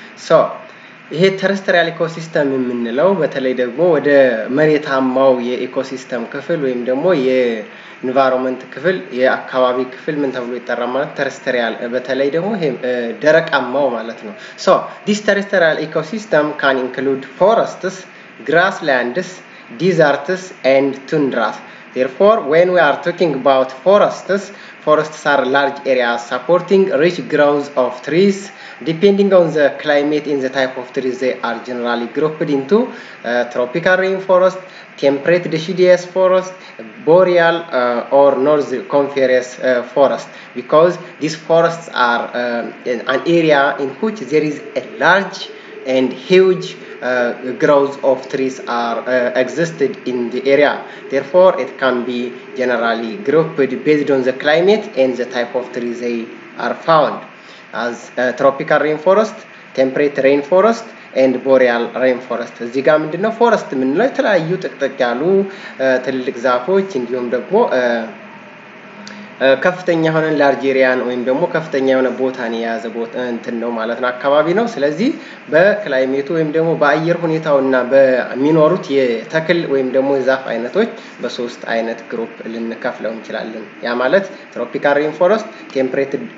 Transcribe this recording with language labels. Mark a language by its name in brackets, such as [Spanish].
[Amharic] So, ይሄ ተረስተሪያል ኢኮሲስተም የምንለው በተለይ ደግሞ ወደ መሬታማው የኢኮሲስተም ክፍል ወይም ደግሞ የኢንቫይሮንመንት ክፍል የአካባቢ ክፍል ምን ተብሎ ይጠራ ማለት ተረስተሪያል በተለይ ደግሞ ይሄ ደረቃማው ማለት ነው። [English] So, this terrestrial ecosystem can include forests, grasslands, deserts and tundras. Therefore, when we are talking about forests, forests are large areas supporting rich groves of trees. Depending on the climate and the type of trees, they are generally grouped into tropical rainforest, temperate deciduous forest, boreal or north coniferous forest. Because these forests are an area in which there is a large and huge growth of trees are existed in the area. Therefore, it can be generally grouped based on the climate and the type of trees they are found as tropical rainforest, temperate rainforest, and boreal rainforest. [Amharic] እዚህ ጋር ምንድነው ፎረስት የምንለው የተለያዩ ጥቅጥቅ ያሉ ትልልቅ ዛፎች እንዲሁም ደግሞ ከፍተኛ የሆነ ላርጅ ኤሪያን ወይም ደግሞ ከፍተኛ የሆነ ቦታን የያዘ ቦታ እንትን ነው ማለት ነው፣ አካባቢ ነው። ስለዚህ በክላይሜቱ ወይም ደግሞ በአየር ሁኔታው እና በሚኖሩት የተክል ወይም ደግሞ የዛፍ አይነቶች በሶስት አይነት ግሩፕ ልንከፍለው እንችላለን። ያ ማለት ትሮፒካል ሬን ፎረስት፣ ቴምፕሬት